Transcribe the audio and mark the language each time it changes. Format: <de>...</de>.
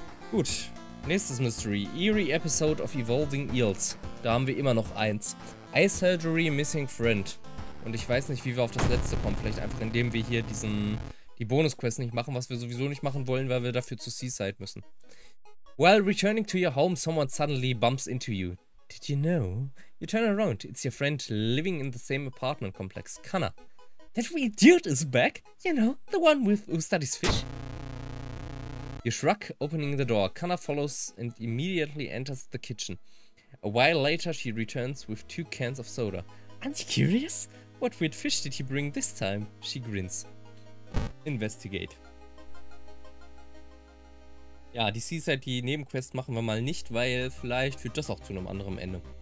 <de>Gut. Nächstes Mystery. Eerie Episode of Evolving Eels. Da haben wir immer noch eins. Ice Surgery Missing Friend. Und ich weiß nicht, wie wir auf das letzte kommen. Vielleicht einfach, indem wir hier die Bonus-Quest nicht machen, was wir sowieso nicht machen wollen, weil wir dafür zu Seaside müssen.</de> <en>While returning to your home, someone suddenly bumps into you. Did you know? You turn around. It's your friend living in the same apartment complex. Kanna. That weird dude is back. You know, the one who studies fish. You shrug, opening the door. Kanna follows and immediately enters the kitchen. A while later, she returns with two cans of soda. Aren't you curious? What weird fish did he bring this time? She grins. Investigate.</en> <de>Ja, die Seaside, die Nebenquest machen wir mal nicht, weil vielleicht führt das auch zu einem anderen Ende.</de>